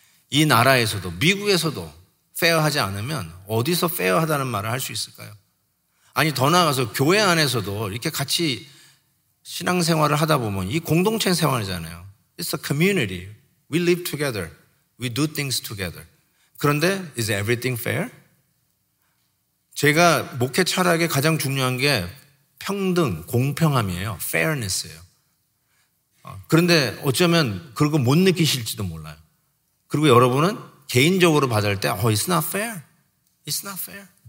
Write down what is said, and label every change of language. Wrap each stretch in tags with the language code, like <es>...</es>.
<ko>이 나라에서도 미국에서도 fair하지 않으면 어디서 fair하다는 말을 할 수 있을까요? 아니 더 나아가서 교회 안에서도 이렇게 같이 신앙생활을 하다 보면 이 공동체 생활이잖아요.</ko> <en>It's a community. We live together. We do things together.</en> <ko>그런데</ko> <en>is everything fair?</en> <ko>제가 목회 철학에 가장 중요한 게 평등, 공평함이에요. Fairness예요. 그런데 어쩌면 그런 거 못 느끼실지도 몰라요. 그리고 여러분은 개인적으로 받을 때</ko> <en>oh, it's not fair. It's not fair.</en>